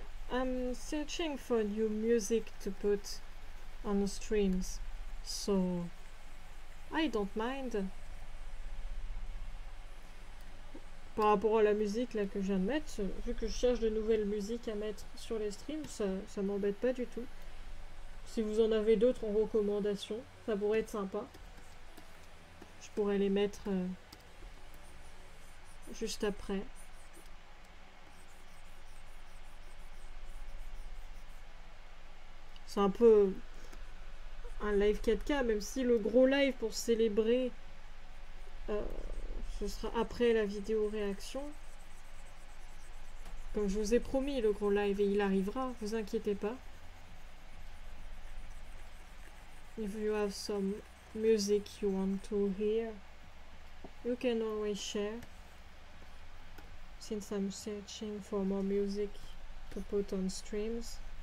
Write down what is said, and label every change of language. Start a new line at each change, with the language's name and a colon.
English: I'm searching for new music to put on the streams, so I don't mind.
French: Par rapport à la musique là que je viens de mettre, vu que je cherche de nouvelles musiques à mettre sur les streams, ça m'embête pas du tout. Si vous en avez d'autres en recommandation, ça pourrait être sympa. Je pourrais les mettre juste après. C'est un peu un live 4K, même si le gros live pour célébrer, ce sera après la vidéo réaction. Comme je vous ai promis, le gros live, et il arrivera, vous inquiétez pas.
English: If you have some music you want to hear, you can always share. Since I'm searching for more music to put on streams.